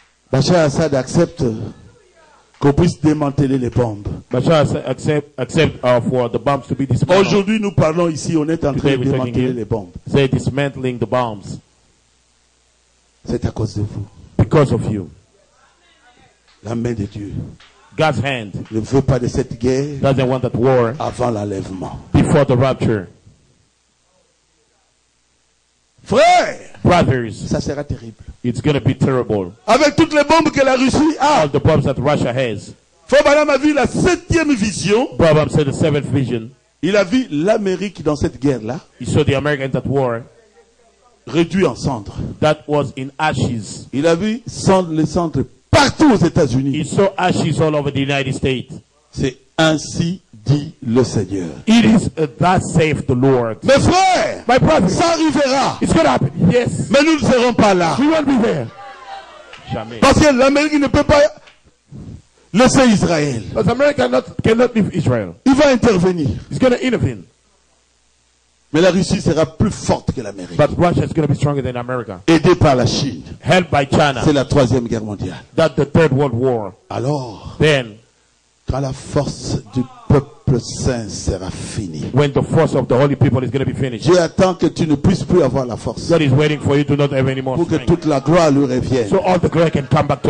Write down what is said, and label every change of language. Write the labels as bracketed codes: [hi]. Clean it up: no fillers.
[fr] Bachar Assad accepte qu'on puisse démanteler les bombes. [en] Bachar Assad accept for the bombs to be dismantled. [fr] Aujourd'hui nous parlons ici, on est en train de démanteler les bombes. [en] They're dismantling the bombs. [fr] C'est à cause de vous. [en] Because of you. [fr] La main de Dieu. [en] God's hand [fr] ne veut pas de cette guerre. [en] Doesn't want that war [fr] avant l'enlèvement. [en] Before the rapture. [fr] Frère, [en] brothers, [fr] ça sera terrible. [en] It's going to be terrible. [fr] Avec toutes les bombes que la Russie a. [en] All the bombs that Russia has. [fr] Frère Branham a vu la septième vision. [en] Branham saw the seventh vision. [fr] Il a vu l'Amérique dans cette guerre-là. [en] He saw the America in that war. [fr] Réduit en cendres. [en] That was in ashes. [fr] Il a vu les cendres partout aux États-Unis. [en] He saw ashes all over the United States. [fr] C'est ainsi dit le Seigneur. [en] It is that saith the Lord. [fr] Mes frères, [en] my brother, [fr] ça arrivera. [en] It's going to happen. Yes. [fr] Mais nous ne serons pas là. [en] We won't be there. [fr] Jamais. Parce que l'Amérique ne peut pas. Laissez Israël. [en] But America cannot leave Israel. [fr] Il va intervenir. [en] He's going to intervene. [fr] Mais la Russie sera plus forte que l'Amérique. [en] But Russia is going to be stronger than America. [fr] Aidée par la Chine. [en] Helped by China. [fr] C'est la troisième guerre mondiale. [en] That's the third world war. [fr] Alors. [en] Then, [fr] quand la force du peuple saint sera finie. [en] When the force of the holy people is going to be finished. [fr] Dieu attend que tu ne puisses plus avoir la force. [en] God is waiting for you to not have any more. [fr] Pour que toute la gloire lui revienne. [en] So all the glory can come back to